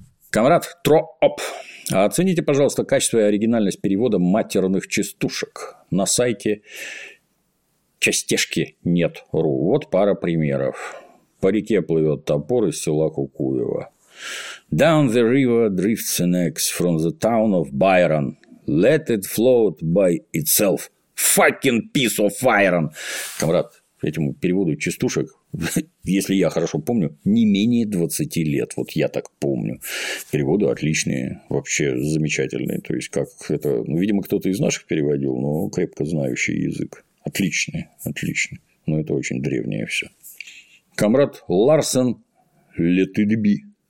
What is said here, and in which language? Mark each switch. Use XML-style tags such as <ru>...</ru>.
<ru>Камрад Троп. А оцените, пожалуйста, качество и оригинальность перевода матерных частушек. На сайте частешки.нет.ру. Вот пара примеров. «По реке плывет топор» из села Кукуева.</ru> <en>«Down the river drifts an axe from the town of Byron. Let it float by itself. Fucking piece of iron». Камрад,</en> <ru>этому переводу частушек, если я хорошо помню, не менее 20 лет. Вот я так помню. Переводы отличные, вообще замечательные. То есть, как это, ну, видимо, кто-то из наших переводил, но крепко знающий язык. Отличный, отличный. Но это очень древнее все. Камрад Ларсен Летыдби.</ru>